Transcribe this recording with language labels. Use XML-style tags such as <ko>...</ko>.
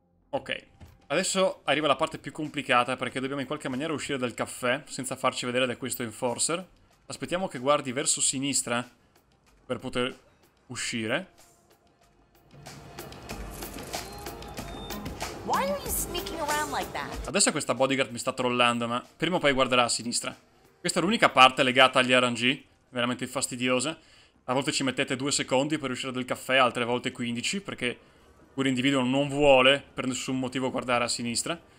<it>Ok. Adesso arriva la parte più complicata perché dobbiamo in qualche maniera uscire dal caffè senza farci vedere da questo enforcer. Aspettiamo che guardi verso sinistra per poter uscire.</it> <en>Why are you sneaking around like that?</en> <it>Adesso questa bodyguard mi sta trollando, ma prima o poi guarderà a sinistra. Questa è l'unica parte legata agli RNG, veramente fastidiosa. A volte ci mettete 2 secondi per uscire dal caffè, altre volte 15, perché pure l'individuo non vuole per nessun motivo guardare a sinistra.</it>